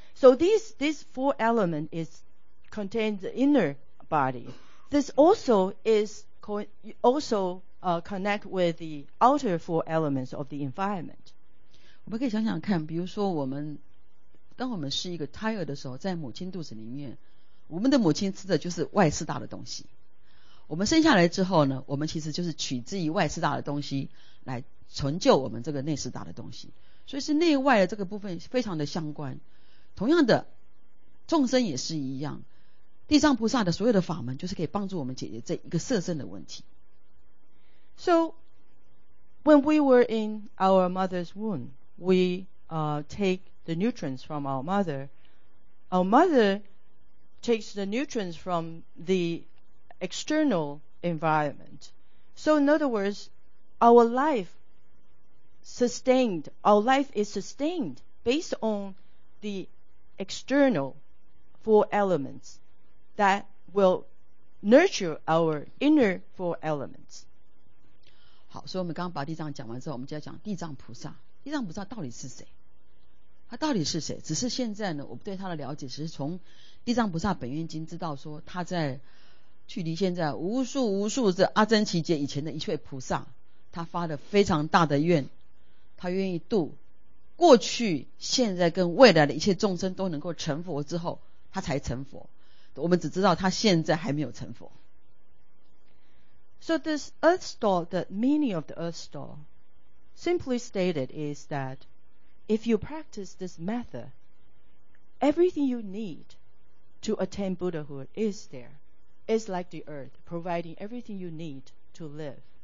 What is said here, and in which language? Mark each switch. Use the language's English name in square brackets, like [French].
[English] So these four element is contain the inner body. This also is connect with the outer four elements of the environment. [Chinese] 我们可以想想看，比如说我们当我们是一个胎儿的时候，在母亲肚子里面，我们的母亲吃的就是外四大的东西。我们生下来之后呢，我们其实就是取自于外四大的东西来成就我们这个内四大的东西，所以是内外的这个部分非常的相关。同样的，众生也是一样，地藏菩萨的所有的法门就是可以帮助我们解决这一个色身的问题。 [English] So when we were in our mother's womb, we take the nutrients from our mother. Our mother takes the nutrients from the external environment. So in other words, our life is sustained based on the external four elements that will nurture our inner four elements. [Chinese] 好，所以我们刚刚把地藏讲完之后，我们就要讲地藏菩萨。地藏菩萨到底是谁？他到底是谁？只是现在呢，我们对他的了解，只是从《地藏菩萨本愿经》知道说，他在距离现在无数无数的阿僧祇劫以前的一切菩萨，他发的非常大的愿。他愿意度过去现在跟未来的一切众生都能够成佛之后他才成佛，我们只知道他现在还没有成佛。 [English] So this earth store, the meaning of the earth store simply stated is that if you practice this method, everything you need to attain Buddhahood is there. It's like the earth providing everything you need to live.